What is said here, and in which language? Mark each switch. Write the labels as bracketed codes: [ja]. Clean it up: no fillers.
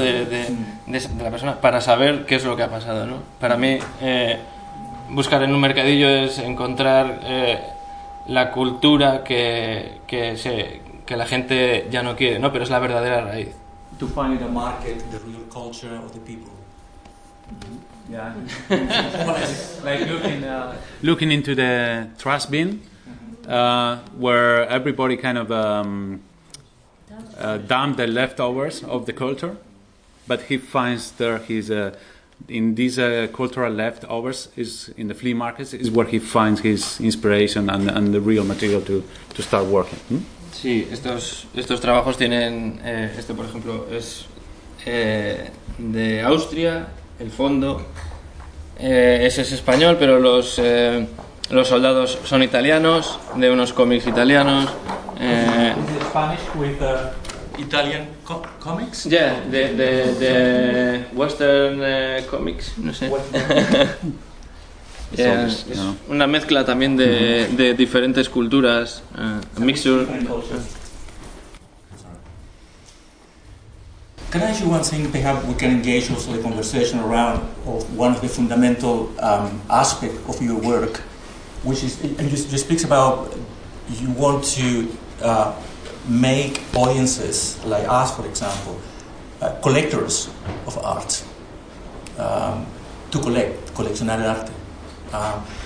[es] De la persona para saber qué es lo que ha pasado, ¿no? Para mí buscar en un mercadillo es encontrar la cultura que la gente ya no quiere, ¿no? Pero es la verdadera raíz. [en] To find the market, the real culture of the people. Mm-hmm. Like looking into the trash bin, where everybody kind of dumped the leftovers of the culture, but he finds there his in these cultural leftovers is in the flea markets is where he finds his inspiration and the real material to start working. Hmm? [es] Sí, estos trabajos tienen este por ejemplo es de Austria, el fondo ese es español, pero los soldados son italianos, de unos cómics italianos. [en] Is it Spanish with Italian comics? Yeah, the Western comics, [es] no sé. Yeah, es una mezcla también de diferentes culturas, [en] a mixture. Can I ask you one thing? Perhaps we can engage also the conversation around of one of the fundamental aspects of your work, which is, and you speak about you want to make audiences, like us, for example, collectors of art, to collect, [it] collezionare arte.